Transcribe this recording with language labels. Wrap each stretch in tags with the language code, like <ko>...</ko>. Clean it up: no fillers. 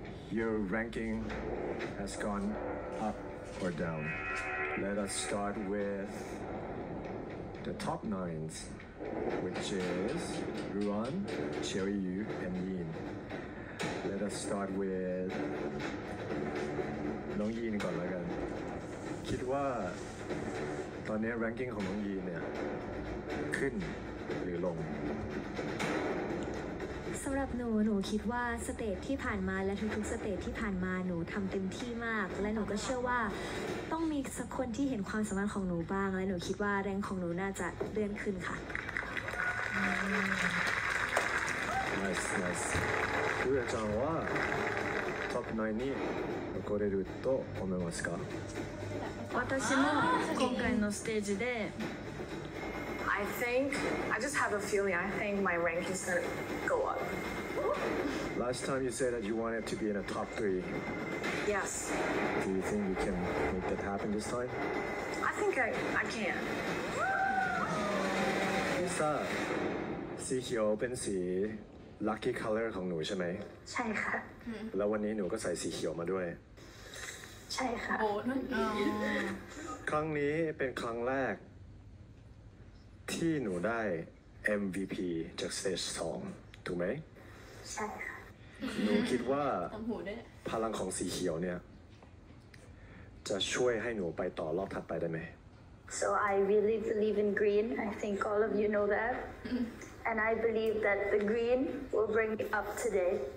<en>Your ranking has gone up. Or down. Let us start with the top nines, which is Ruan, Cherry Yu, and Yin. Let us start with</en> <th>น้องยีนก่อนละกันคิดว่าตอนนี้ ranking ของน้องยีนเนี่ยขึ้นหรือลง สำหรับหนูคิดว่าสเตจที่ผ่านมาและทุกๆสเตจที่ผ่านมาหนูทำเต็มที่มากและหนูก็เชื่อว่าต้องมีสักคนที่เห็นความสามารถของหนูบ้างและหนูคิดว่าแรงของหนูน่าจะเลื่อนขึ้นค่ะ</th> <en>Nice Nice</en> <ja>ゆうやちゃんはトップ9に残れると思いますか私も今回のステージで</ja> <en>I think I just have a feeling I think my rank is going to go up Last time you said that you wanted to be in a top 3 Yes. Do you think you can make that happen this time? I think I can. Lisa, see here open see lucky color</en> <th>ของหนูใช่ไหม ใช่ค่ะ แล้ววันนี้หนูก็ใส่สีเขียวมาด้วย ใช่ค่ะ โอ้นั่นเ องครั้งนี้เป็นครั้งแรกที่หนูได้ MVP จากสเตจ2ถูกไหม ใช่ค่ะ หนูคิดว่าพลังของสีเขียวเนี่ยจะช่วยให้หนูไปต่อรอบถัดไปได้ไหม</th> <en>So I really believe in green. I think all of you know that. And I believe that the green will bring me up today.</en>